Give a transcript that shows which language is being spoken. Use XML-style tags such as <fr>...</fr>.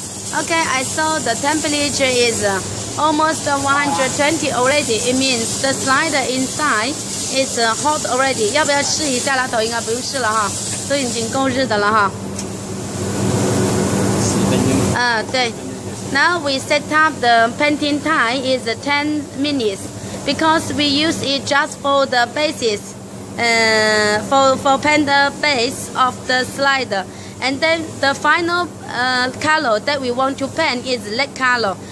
<en>Okay, I saw the temperature is almost 120 already. It means the slider inside is hot already.</en> <zh>要不要试一下？拉头应该不用试了哈，都已经够热的了哈。对。</zh> <en>Now we set up the painting time is 10 minutes because we use it just for the basis, for paint the base of the slider. And then the final color that we want to paint is red color.</en>